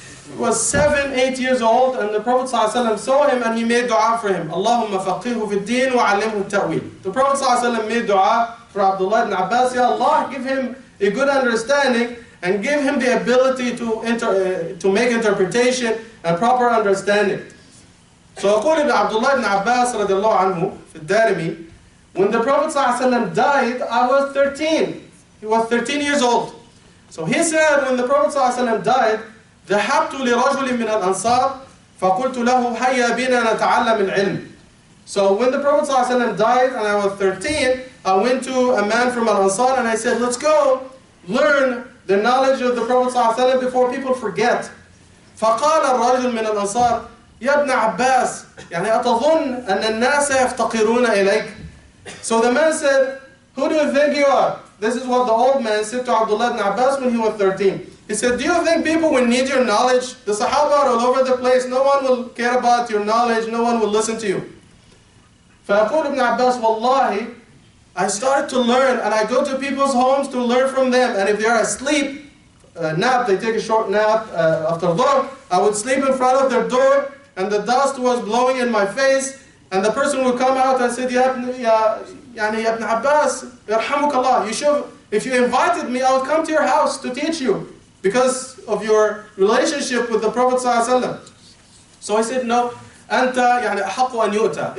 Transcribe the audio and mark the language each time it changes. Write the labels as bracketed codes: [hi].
[en] He was 7-8 years old, and the Prophet sallallahu alayhi wa sallam saw him, and he made dua for him. [ar] Allahumma faqihu fi ddeen wa alimhu ta'wil. [en] The Prophet sallallahu alayhi wa sallam made dua for Abdullah ibn Abbas. Ya Allah, give him a good understanding, and give him the ability to make interpretation and proper understanding. So [ar] يقول ابن عبد الله بن عباس رضي الله عنه في الدارمي, [en] when the Prophet صلى الله عليه وسلم died, I was 13. He was 13 years old. So he said, when the Prophet [ar] صلى الله عليه وسلم [en] died, [ar] ذهبت لرجل من الأنصار فقلت له هيا بنا نتعلم العلم. [en] So when the Prophet صلى الله عليه وسلم died and I was 13, I went to a man from Al-Ansar and I said, let's go learn the knowledge of the Prophet صلى الله عليه وسلم before people forget. [ar] فقال الرجل من الأنصار يا ابن عباس يعني أتظن أن الناس يفتقرون إليك. [en] So the man said, who do you think you are? This is what the old man said to Abdullah ibn Abbas when he was 13. He said, do you think people will need your knowledge? The Sahaba are all over the place. No one will care about your knowledge. No one will listen to you. [ar] فأقول ابن عباس والله [en] I started to learn and I go to people's homes to learn from them and if they are asleep nap they take a short nap after dhuhr I would sleep in front of their door and the dust was blowing in my face and the person would come out and said [ar] يا ابن عباس يرحمك الله [en] you should if you invited me I would come to your house to teach you because of your relationship with the Prophet صلى الله عليه وسلم so I said no [ar] أنت يعني أحق أن يؤتى.